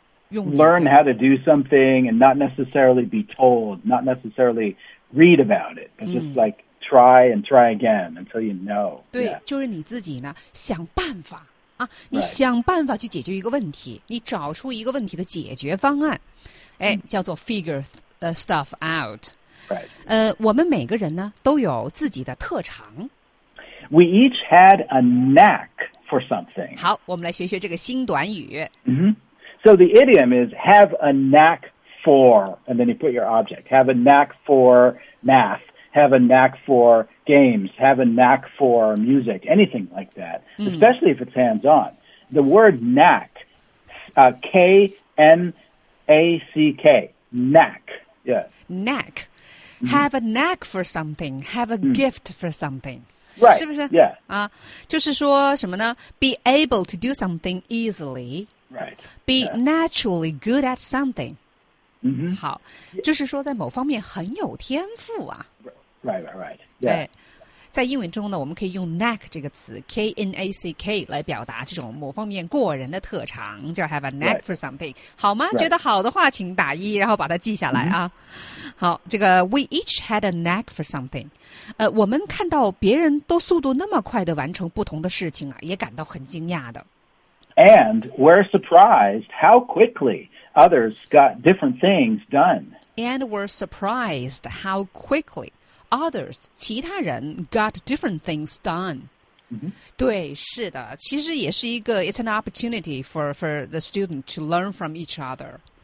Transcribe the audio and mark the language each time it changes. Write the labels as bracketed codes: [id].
[en] Learn how to do something and not necessarily be told, not necessarily read about it, but just like try and try again until you know. [zh] 对、 [en] yeah. [zh] 就是你自己呢想办法啊你想办法去解决一个问题、 [en] right. [zh] 你找出一个问题的解决方案哎、mm. 叫做 [en] figure the stuff out. Right. [zh] 我们每个人呢都有自己的特长。 [en] We each had a knack for something. [zh] 好我们来学学这个新短语。 [en] Mm-hmm. So the idiom is have a knack for, and then you put your object. Have a knack for math. Have a knack for games. Have a knack for music. Anything like that,、 mm. especially if it's hands-on. The word knack,、K-N-A-C-K, knack. Yeah. Knack. Have、mm. a knack for something. Have a、mm. gift for something. Right. [zh] 是不是 [en] Yeah.、 [zh] 就是说什么呢 [en] Be able to do something easily. Right. Be、yeah. naturally good at something.、 Mm-hmm. 好、yeah. [zh] 就是说在某方面很有天赋啊。 [en] Right. Yeah. [zh] 在英文中呢我们可以用 knack 这个词 K-N-A-C-K 来表达这种某方面过人的特长叫 [en] have a knack、 for something. [zh] 好吗、 [en] right. [zh] 觉得好的话请打一然后把它记下来啊。 [en] Mm-hmm. [zh] 好这个 [en] we each had a knack for something. [zh] 我们看到别人都速度那么快地完成不同的事情啊也感到很惊讶的。 [en] And we're surprised how quickly others got different things done. And we're surprised how quickly others, [zh] 其他人 [en] got different things done.、 Mm-hmm. [zh] 对，是的，其实也是一个 [en] it's an opportunity for the student to learn from each other.